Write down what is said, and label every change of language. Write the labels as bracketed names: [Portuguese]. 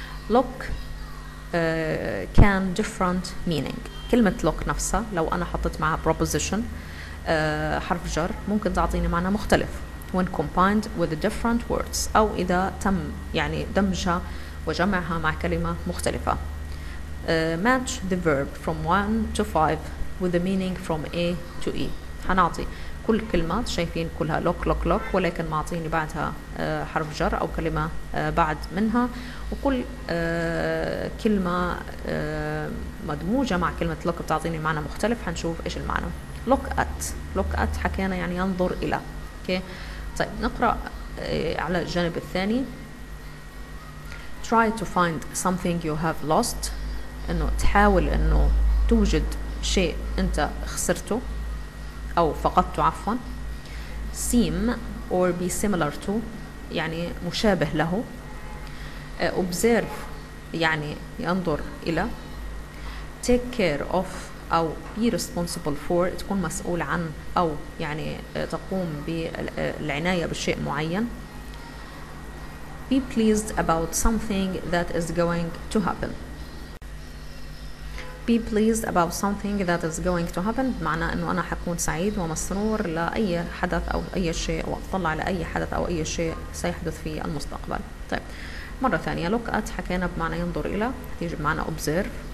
[English] Look can different meaning. [Arabic] كلمة look نفسها لو أنا حطيت معها proposition حرف جر ممكن تعطيني معنى مختلف [English] when combined with different words، [Arabic] أو إذا تم يعني دمجها وجمعها مع كلمة مختلفة. [English] Match the verb from 1 to 5 with the meaning from A to E. [Arabic] هنعطي كل كلمة شايفين كلها look look look، ولكن ما أعطيني بعدها حرف جر أو كلمة بعد منها، وكل كلمة مدموجة مع كلمة look بتعطيني معنى مختلف. هنشوف إيش المعنى. Look at. Look at حكينا يعني ينظر إلى. [English] Okay. [Arabic] طيب نقرأ على الجانب الثاني. [English] Try to find something you have lost. [Arabic] إنه تحاول إنه توجد شيء أنت خسرته أو فقدته عفوا. [English] Seem or be similar to [Arabic] يعني مشابه له. Observe يعني ينظر إلى. [English] Take care of [Arabic] أو [English] be responsible for [Arabic] تكون مسؤول عن أو يعني تقوم بالعناية بشيء معين. [English] Be pleased about something that is going to happen. Be pleased about something that is going to happen [Arabic] بمعنى أنه أنا حكون سعيد ومسرور لأي حدث أو أي شيء، أو أطلع لأي حدث أو أي شيء سيحدث في المستقبل. طيب مرة ثانية look at حكينا بمعنى ينظر إلى، يجي بمعنى observe.